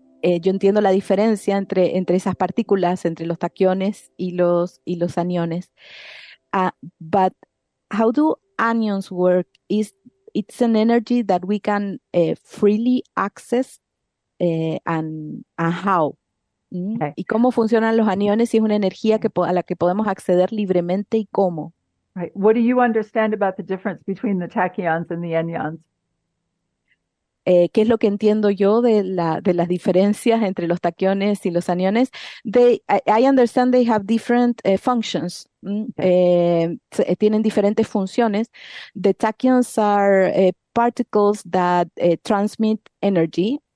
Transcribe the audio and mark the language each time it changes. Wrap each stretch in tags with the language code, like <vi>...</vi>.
<es>Yo entiendo la diferencia entre esas partículas, entre los tachyones y los aniones.</es> <en>But how do anions work? It's an energy that we can freely access. And how? Okay.</en> <es>¿Y cómo funcionan los aniones? Si es una energía a la que podemos acceder libremente, ¿y cómo?</es> <en>Right. What do you understand about the difference between the tachyons and the enyons?</en> <es>¿Qué es lo que entiendo yo de las diferencias entre los tachyones y los aniones?</es> <en>I understand they have different functions. Okay.</en> <es>Tienen diferentes funciones.</es> <en>The tachyons are particles that transmit energy.</en>